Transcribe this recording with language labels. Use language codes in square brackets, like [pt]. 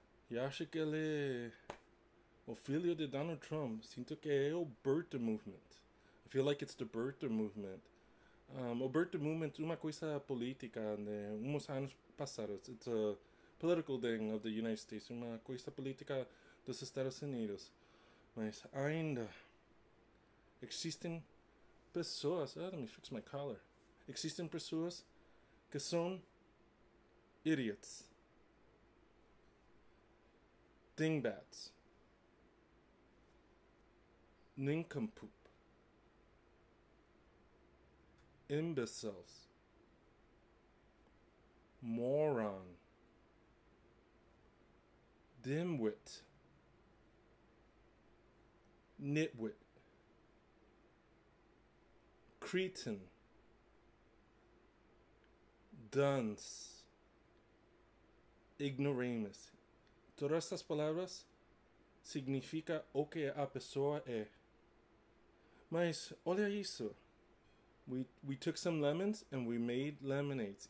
[pt] Eu acho que ele é o filho de Donald Trump. Sinto que é o birther movement. [en] I feel like it's the birther movement. [pt] O birther movement é uma coisa política, né? Uns anos passados. [en] It's a political thing of the United States. [pt] Uma coisa política dos Estados Unidos. Mas ainda existem pessoas... [en] Oh, let me fix my collar. [pt] Existem pessoas que são [en] idiots. Dingbats. Nincompoop. Imbeciles. Moron. Dimwit. Nitwit. Cretin. Dunce. Ignoramus. [pt] Todas essas palavras significa o que a pessoa é. Mas olha isso. [en] We took some lemons and we made lemonades.